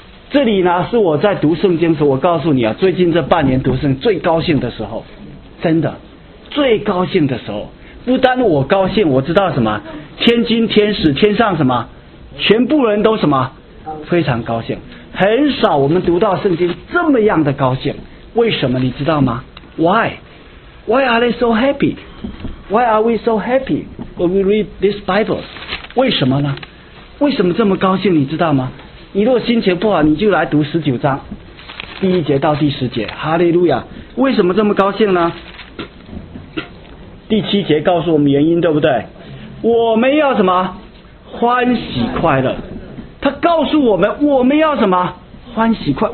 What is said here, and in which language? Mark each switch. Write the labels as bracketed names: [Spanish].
[Chinese] 这里呢是我在读圣经的时候，我告诉你啊，最近这半年读圣经最高兴的时候，真的最高兴的时候，不单我高兴，我知道什么千金天使天上什么全部人都什么非常高兴，很少我们读到圣经这么样的高兴。为什么你知道吗？ [English] Why are they so happy? Why are we so happy when we read this Bible? [Chinese] 为什么呢？为什么这么高兴你知道吗？你如果心情不好，你就来读十九章第一节到第十节，哈利路亚。为什么这么高兴呢？第七节告诉我们原因，对不对？我们要什么？欢喜快乐。他告诉我们，我们要什么？欢喜快乐。